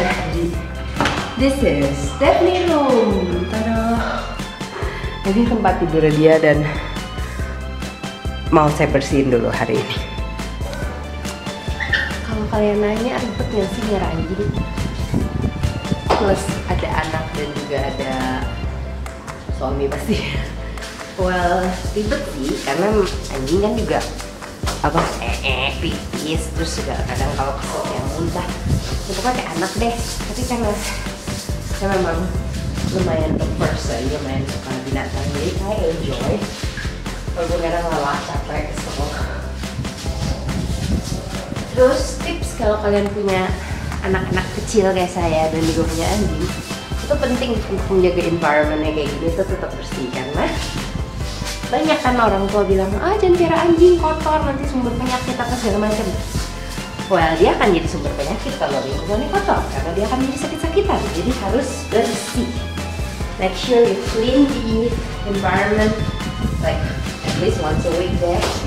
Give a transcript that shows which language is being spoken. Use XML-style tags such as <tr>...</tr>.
<en>Jadi this is Daphne room. Tada.</en> <id>Ini tempat tidur dia dan mau saya bersihin dulu hari ini. Kalau kalian nanya ribet nggak sih nyari anjing? Plus ada anak dan juga ada suami pasti. Well, ribet sih karena anjing kan juga apa? Pipis terus juga kadang kalau kesel yang muntah. Itu kan kayak anak deh. Tapi karena saya memang lumayan</id> <en>the person,</en> <id>lumayan suka binatang, jadi saya enjoy walaupun kadang lelah, capek, kesel. Terus tips kalau kalian punya anak-anak kecil kayak saya dan juga punya Andi, itu penting untuk menjaga environment-nya kayak gini, itu tetap bersih. Karena banyak kan orang tua bilang, ah jangan piara anjing, kotor, nanti sumber penyakit apa segala macam. Well, dia akan jadi sumber penyakit kalau lingkungannya kotor, karena dia akan jadi sakit-sakitan. Jadi harus bersih.</id> <en>Make sure you clean the environment, like at least once a week there.</en>